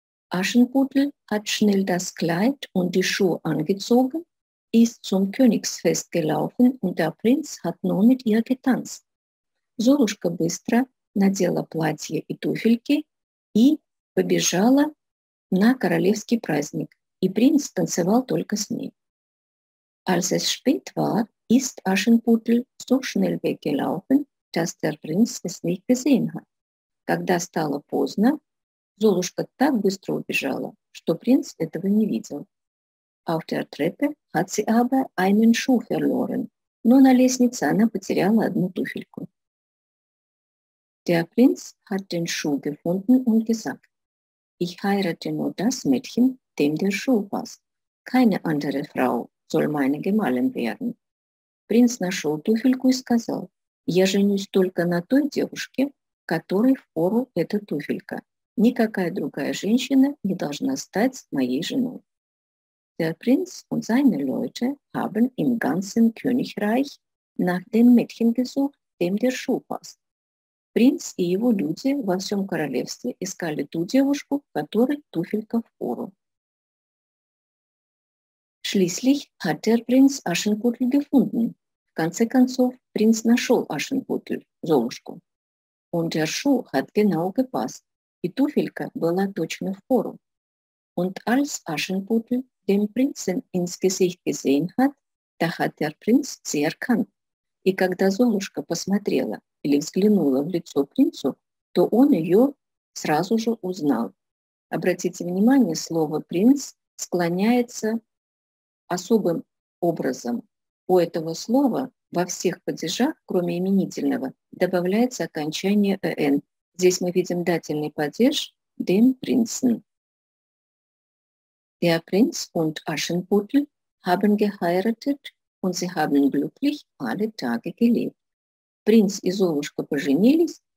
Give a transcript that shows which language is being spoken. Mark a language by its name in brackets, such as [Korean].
[German] Aschenputtel hat schnell das Kleid und die Schuhe angezogen. Ist zum Königsfest gelaufen und der Prinz hat nur mit ihr getanzt. [Russian] Золушка быстро надела платье и туфельки и побежала на королевский праздник, и принц танцевал только с ней. [German] Als es spät war, ist Aschenputtel so schnell weggelaufen, dass der Prinz es nicht gesehen hat. [Russian] Когда стало поздно, Золушка так быстро убежала, что принц этого не видел. [German] Auf der Treppe hat sie aber einen Schuh verloren. [Russian] Но на лестнице она потеряла одну туфельку. [German] Der Prinz hat den Schuh gefunden und gesagt, Ich heirate nur das Mädchen, dem der Schuh passt. Keine andere Frau soll meine Gemahlin werden. [Russian] Prinz нашел туфельку и сказал, Я женюсь только на той девушке, которой впору эта туфелька. Никакая другая женщина не должна стать моей женой. [German] Der Prinz und seine Leute haben im ganzen Königreich nach dem Mädchen gesucht, dem der Schuh passt. [Russian] Prinz и его люди во всем королевстве искали ту девушку, которой туфелька в пору. [German] Schließlich hat der Prinz Aschenputtel gefunden. [Russian] В конце концов, принц нашел Aschenputtel, Золушку. [German] Und der Schuh hat genau gepasst. [Russian] И туфелька была точно в пору. [German] Und als Aschenputtel dem Prinzen ins Gesicht gesehen hat, da hat der Prinz sie erkannt. [Russian] И когда Золушка посмотрела или взглянула в лицо принцу, то он ее сразу же узнал. Обратите внимание, слово «принц» склоняется особым образом. У этого слова во всех падежах, кроме именительного, добавляется окончание «эн». Здесь мы видим дательный падеж [German] «dem Prinzen». Der Prinz und Aschenputtel haben geheiratet und sie haben glücklich alle Tage gelebt. [Russian] Prinz и Золушка поженились